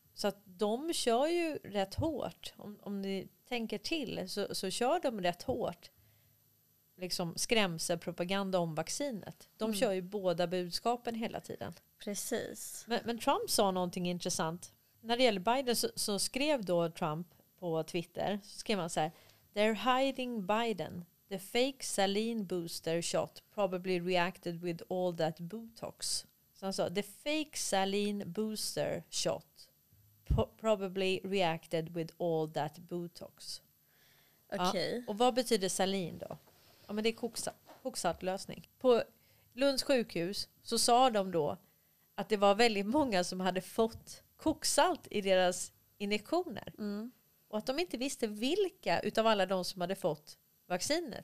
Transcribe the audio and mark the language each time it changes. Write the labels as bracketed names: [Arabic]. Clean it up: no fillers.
[Swedish] Så att de kör ju rätt hårt. Om ni tänker till så kör de rätt hårt liksom skrämselpropaganda om vaccinet. De kör ju båda budskapen hela tiden. Precis. Men Trump sa någonting intressant. När det gäller Biden så skrev då Trump på Twitter, så skrev han så här: [English] "They're hiding Biden. The fake saline booster shot probably reacted with all that Botox." [Swedish] Så han sa, [English] the fake saline booster shot probably reacted with all that Botox. [Swedish] Okej. Okay. Ja, och vad betyder saline då? Ja, men det är koksaltlösning. På Lunds sjukhus så sa de då att det var väldigt många som hade fått koksalt i deras injektioner. Mm. Och att de inte visste vilka utav alla de som hade fått vaccinet.